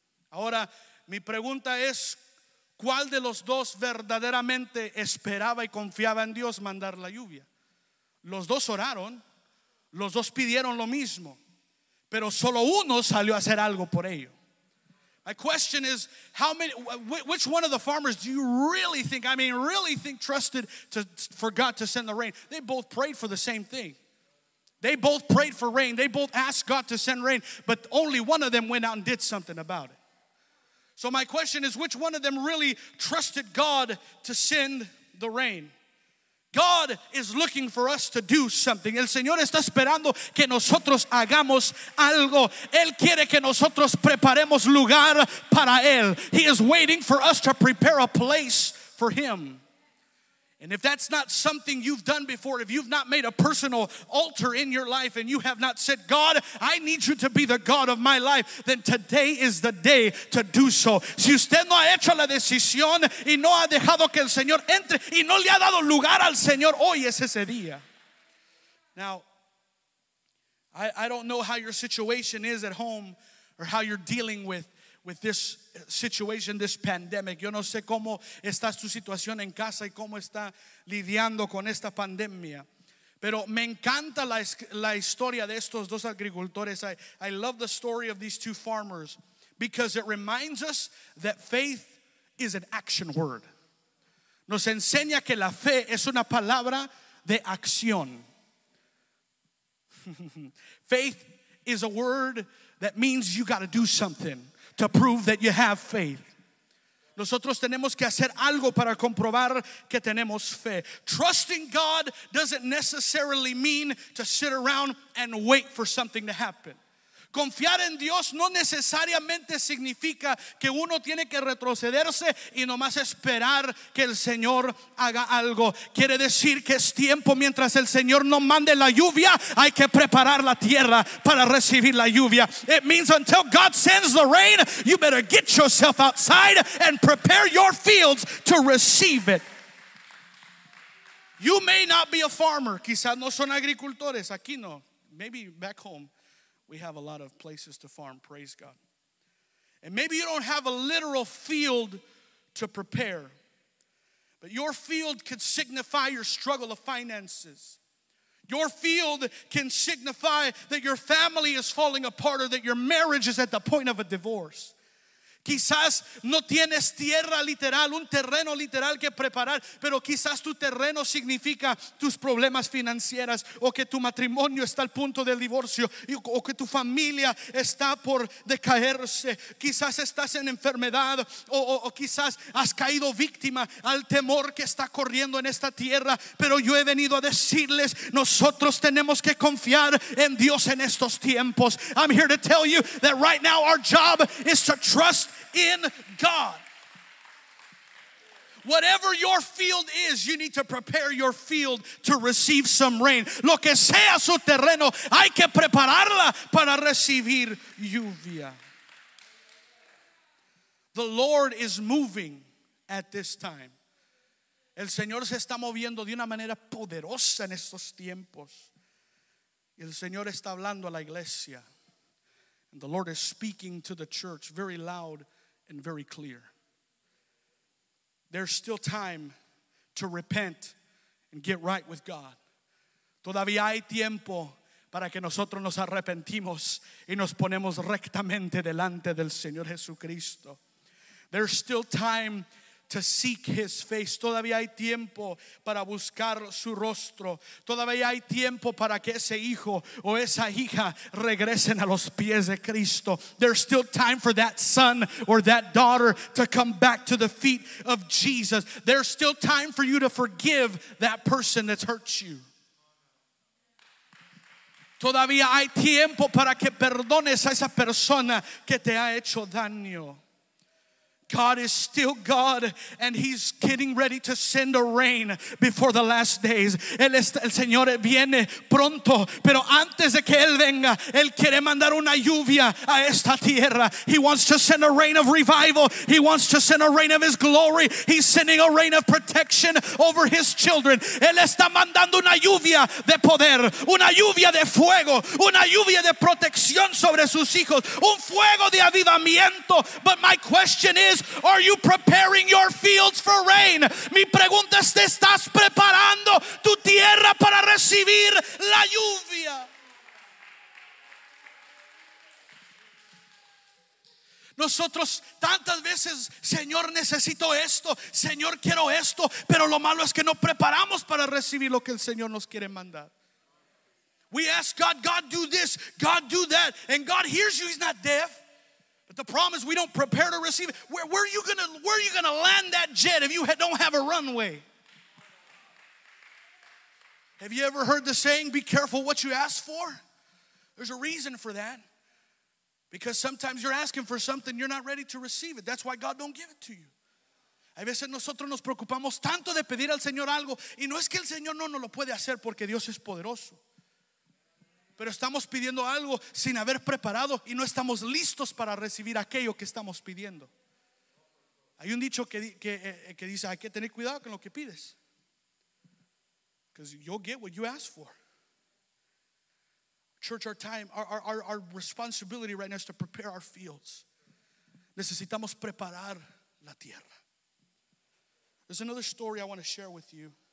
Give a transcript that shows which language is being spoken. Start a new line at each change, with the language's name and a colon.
Spanish: Ahora, mi pregunta es, ¿cuál de los dos verdaderamente esperaba y confiaba en Dios mandar la lluvia? Los dos oraron, los dos pidieron lo mismo, pero solo uno salió a hacer algo por ello.
English: My question is, which one of the farmers do you really think, trusted for God to send the rain? They both prayed for the same thing. They both prayed for rain. They both asked God to send rain, but only one of them went out and did something about it. So my question is, which one of them really trusted God to send the rain? God is looking for us to do something.
Spanish: El Señor está esperando que nosotros hagamos algo. Él quiere que nosotros preparemos lugar para Él.
English: He is waiting for us to prepare a place for Him. And if that's not something you've done before, if you've not made a personal altar in your life and you have not said, God, I need you to be the God of my life, then today is the day to do so.
Spanish: Si usted no ha hecho la decisión y no ha dejado que el Señor entre y no le ha dado lugar al Señor, hoy es ese día.
English: Now, I don't know how your situation is at home or how you're dealing with this situation, this pandemic.
Spanish: Yo no sé cómo está su situación en casa y cómo está lidiando con esta pandemia. Pero me encanta la historia de estos dos agricultores.
English: I love the story of these two farmers because it reminds us that faith is an action word.
Spanish: Nos enseña que la fe es una palabra de acción.
English: Faith is a word that means you got to do something to prove that you have faith.
Spanish: Nosotros tenemos que hacer algo para comprobar que tenemos fe.
English: Trusting God doesn't necessarily mean to sit around and wait for something to happen.
Spanish: Confiar en Dios no necesariamente significa que uno tiene que retrocederse y nomás esperar que el Señor haga algo. Quiere decir que es tiempo, mientras el Señor no mande la lluvia, hay que preparar la tierra para recibir la lluvia.
English: It means until God sends the rain, you better get yourself outside and prepare your fields to receive it. You may not be a farmer.
Spanish: Quizás no son agricultores. Aquí no.
English: Maybe back home. We have a lot of places to farm, praise God. And maybe you don't have a literal field to prepare, but your field could signify your struggle of finances. Your field can signify that your family is falling apart or that your marriage is at the point of a divorce.
Spanish: Quizás no tienes tierra literal, un terreno literal que preparar, pero quizás tu terreno significa tus problemas financieras, o que tu matrimonio está al punto del divorcio, o que tu familia está por decaerse. Quizás estás en enfermedad, o quizás has caído víctima al temor que está corriendo en esta tierra. Pero yo he venido a decirles, nosotros tenemos que confiar en Dios en estos tiempos.
English: I'm here to tell you that right now our job is to trust in God. Whatever your field is, you need to prepare your field to receive some rain.
Spanish: Lo que sea su terreno, hay que prepararla para recibir lluvia.
English: The Lord is moving. at this time.
Spanish: El Señor se está moviendo de una manera poderosa en estos tiempos. Y el Señor está hablando a la iglesia.
English: And the Lord is speaking to the church very loud and very clear. There's still time to repent and get right with God.
Spanish: Todavía hay tiempo para que nosotros nos arrepentimos y nos ponemos rectamente delante del Señor Jesucristo.
English: There's still time to seek his face.
Spanish: Todavía hay tiempo para buscar su rostro. Todavía hay tiempo para que ese hijo o esa hija regresen a los pies de Cristo.
English: There's still time for that son or that daughter to come back to the feet of Jesus. There's still time for you to forgive that person that's hurt you.
Spanish: Todavía hay tiempo para que perdones a esa persona que te ha hecho daño.
English: God is still God, and he's getting ready to send a rain before the last days.
Spanish: El Señor viene pronto, pero antes de que Él venga, Él quiere mandar una lluvia a esta tierra.
English: He wants to send a rain of revival. He wants to send a rain of his glory. He's sending a rain of protection over his children.
Spanish: Él está mandando una lluvia de poder, una lluvia de fuego, una lluvia de protección sobre sus hijos, un fuego de avivamiento.
English: But my question is, are you preparing your fields for rain?
Spanish: Mi pregunta es, ¿te estás preparando tu tierra para recibir la lluvia? Nosotros tantas veces, Señor, necesito esto, Señor, quiero esto, pero lo malo es que no preparamos para recibir lo que el Señor nos quiere mandar.
English: We ask God, God do this, God do that, and God hears you, he's not deaf. But the problem is we don't prepare to receive it. Where are you gonna land that jet if you don't have a runway? Have you ever heard the saying, be careful what you ask for? There's a reason for that. Because sometimes you're asking for something, you're not ready to receive it. That's why God don't give it to you.
Spanish: A veces nosotros nos preocupamos tanto de pedir al Señor algo, y no es que el Señor no lo puede hacer porque Dios es poderoso. Pero estamos pidiendo algo sin haber preparado y no estamos listos para recibir aquello que estamos pidiendo. Hay un dicho que dice, hay que tener cuidado con lo que pides.
English: Because you'll get what you ask for. Church, our time, our responsibility right now is to prepare our fields.
Spanish: Necesitamos preparar la tierra.
English: There's another story I want to share with you.